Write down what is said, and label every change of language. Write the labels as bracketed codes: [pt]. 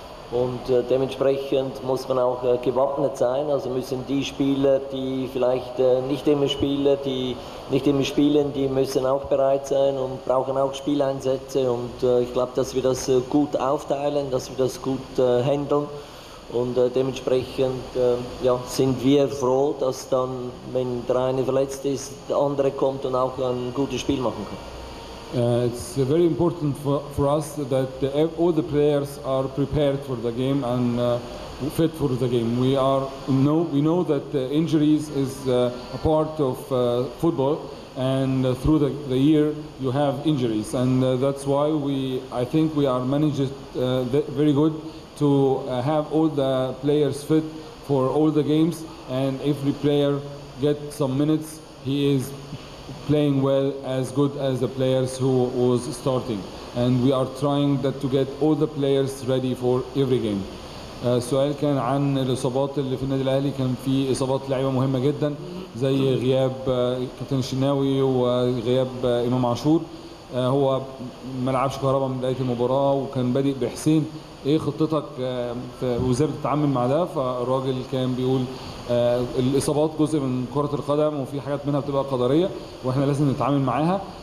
[de] Und dementsprechend muss man auch gewappnet sein, also müssen die Spieler, die vielleicht nicht immer spielen, die nicht immer spielen, die müssen auch bereit sein und brauchen auch Spieleinsätze. Und ich glaube, dass wir das gut aufteilen, dass wir das gut handeln. Und dementsprechend ja, sind wir froh, dass dann, wenn der eine verletzt ist, der andere kommt und auch ein gutes Spiel machen kann. [en] It's very important for us that all the players are prepared for the game and fit for the game. We know that injuries is a part of football, and through the year you have injuries, and that's why I think we are managed very good to have all the players fit for all the games, and every player get some minutes, he is playing well, as good as the players who was starting, and we are trying that to get all the players ready for every game. [ar] سؤال كان عن الإصابات اللي في النادي الأهلي. كان في إصابات لعيبة مهمة جدا زي غياب كابتن الشناوي وغياب إمام عاشور. هو ما لعبش كهربا من بداية المباراة وكان بادئ بحسين. إيه خطتك وإزاي بتتعامل مع ده؟ فالراجل كان بيقول الإصابات جزء من كرة القدم وفي حاجات منها بتبقى قدرية وإحنا لازم نتعامل معاها.